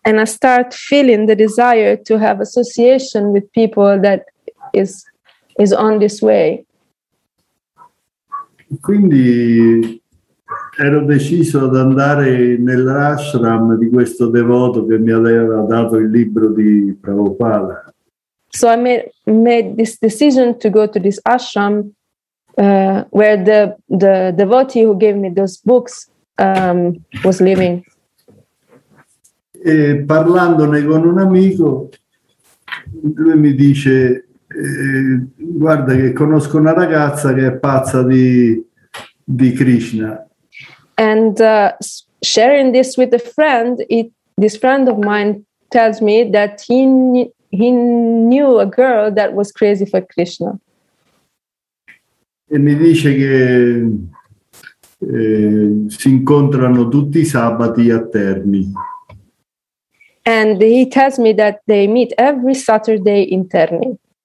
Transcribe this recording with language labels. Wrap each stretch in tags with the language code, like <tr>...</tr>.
<en>And I start feeling the desire to have association with people that is on this way.</en> <it>Quindi ero deciso ad andare nell'ashram di questo devoto che mi aveva dato il libro di Prabhupada.</it> <en>So I made this decision to go to this ashram where the devotee who gave me those books was living.</en> <it>E parlandone con un amico, lui mi dice: guarda che conosco una ragazza che è pazza di Krishna.</it> <en>And sharing this with a friend, this friend of mine tells me that he knew a girl that was crazy for Krishna.</en> <it>E mi dice che si incontrano tutti i sabati a Terni.</it> <en>And he tells me that they meet every Saturday in Terni.</en>